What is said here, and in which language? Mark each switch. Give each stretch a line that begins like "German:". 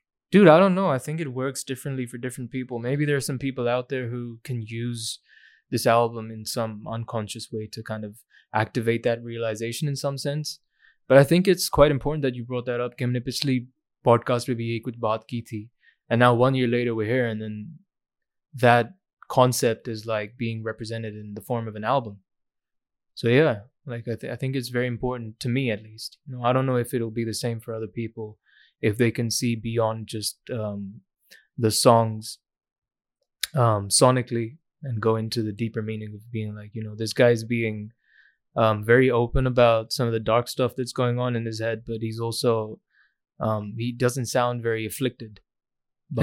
English: Dude, I don't know. I think it works differently for different people. Maybe there are some people out there who can use this album in some unconscious way to kind of activate that realization in some sense. But I think it's quite important that you brought that up.
Hindi: किमने पिछली podcast पे भी ये कुछ बात की थी.
English: And now 1 year later, we're here. And then that concept is like being represented in the form of an album. So yeah, like I think it's very important to me at least. You know, I don't know if it'll be the same for other people, if they can see beyond just the songs sonically and go into the deeper meaning of being like, you know, this guy's being very open about some of the dark stuff that's going on in his head, but he's also, he doesn't sound very afflicted by